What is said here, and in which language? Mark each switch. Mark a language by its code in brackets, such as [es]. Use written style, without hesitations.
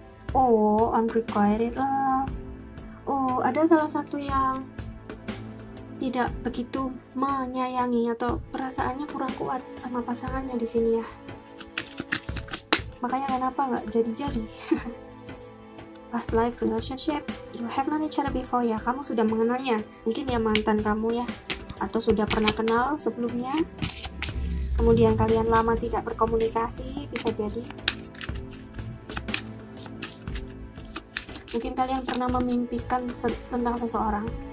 [id] Oh, unrequited love. Oh, ada salah satu yang tidak begitu menyayangi atau perasaannya kurang kuat sama pasangannya di sini ya. Makanya kenapa nggak jadi-jadi. [en] Past life relationship, you have known each other before ya. [id] Kamu sudah mengenalnya, mungkin ya mantan kamu ya, atau sudah pernah kenal sebelumnya. Kemudian kalian lama tidak berkomunikasi, bisa jadi. Mungkin kalian pernah memimpikan tentang seseorang.